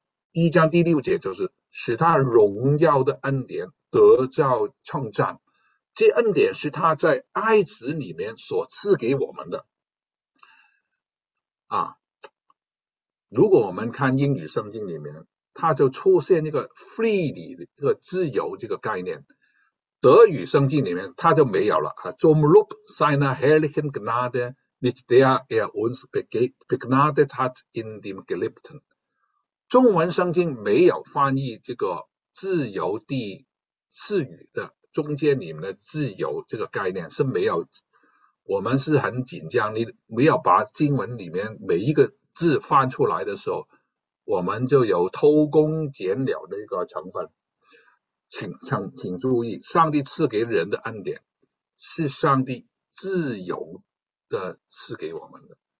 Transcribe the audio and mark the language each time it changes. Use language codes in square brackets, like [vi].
[zh] 一章第六节就是使他荣耀的恩典得着称赞，这恩典是他在爱子里面所赐给我们的。啊，如果我们看英语圣经里面，它就出现一个 freely 的一个自由这个概念，德语圣经里面它就没有了啊。 [de] Zum Lob seiner herrlichen Gnade, mit der uns begnadet hat in dem Geliebten。 [zh] 中文圣经没有翻译这个自由地赐予的中间里面的自由这个概念是没有，我们是很紧张，你没有把经文里面每一个字翻出来的时候，我们就有偷工减料的一个成分，请注意，上帝赐给人的恩典是上帝自由的赐给我们的，